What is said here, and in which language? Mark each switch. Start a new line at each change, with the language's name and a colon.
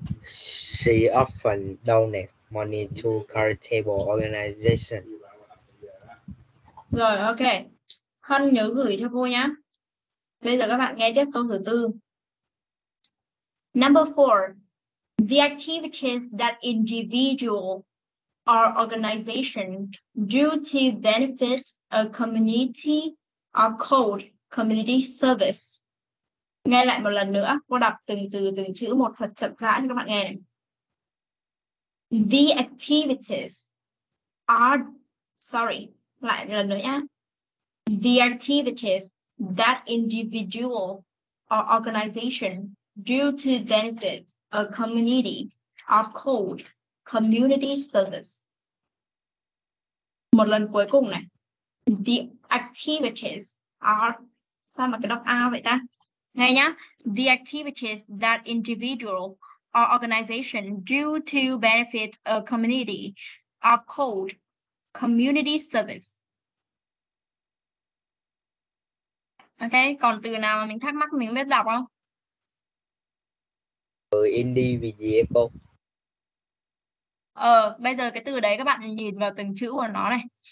English: She often donates money to charitable organizations.
Vietnamese: Rồi, ok. Hân nhớ gửi cho cô nhá. Bây giờ các bạn nghe tiếp câu thứ tư.
English: Number four. The activities that individual or organization do to benefit a community are called community service.
Vietnamese: Nghe lại một lần nữa, cô đọc từng chữ một thật chậm rãi cho các bạn nghe này.
English: The activities are, sorry,
Vietnamese: lại một lần nữa nhé.
English: The activities that individual or organization do to benefit a community are called community service.
Vietnamese: Một lần cuối cùng này.
English: The activities are,
Vietnamese: sao mà cái đọc A vậy ta? Nghe nhá,
English: the activities that individual or organization do to benefit a community are called community service.
Vietnamese: Ok, còn từ nào mà mình thắc mắc mình biết đọc không? Từ individual. Ờ, bây giờ cái từ đấy các bạn nhìn vào từng chữ của nó này.